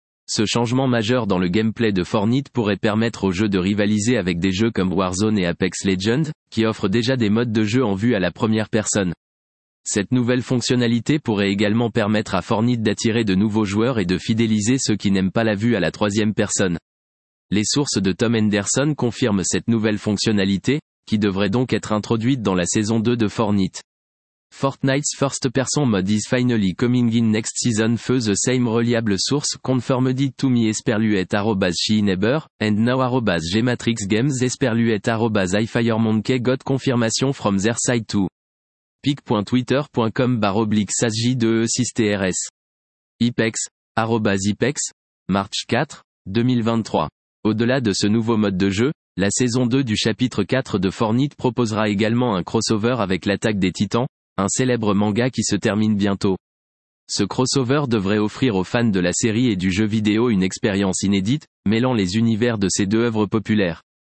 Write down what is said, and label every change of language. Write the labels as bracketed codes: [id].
[fr] Ce changement majeur dans le gameplay de Fortnite pourrait permettre au jeu de rivaliser avec des jeux comme Warzone et Apex Legends, qui offrent déjà des modes de jeu en vue à la première personne. Cette nouvelle fonctionnalité pourrait également permettre à Fortnite d'attirer de nouveaux joueurs et de fidéliser ceux qui n'aiment pas la vue à la troisième personne. Les sources de Tom Henderson confirment cette nouvelle fonctionnalité, qui devrait donc être introduite dans la saison 2 de Fortnite. [en] Fortnite's first person mode is finally coming in next season for the same reliable source confirmed it to me [fr] esperluet arrobas [en] she neighbor, and now arrobas gmatrix games esperluet arrobas ifiremonkey got confirmation from their side too. pic.twitter.com/sj2e6trs. Ipex, arrobas Ipex, March 4, 2023. [fr] Au-delà de ce nouveau mode de jeu, la saison 2 du chapitre 4 de Fortnite proposera également un crossover avec l'attaque des titans, un célèbre manga qui se termine bientôt. Ce crossover devrait offrir aux fans de la série et du jeu vidéo une expérience inédite, mêlant les univers de ces deux œuvres populaires.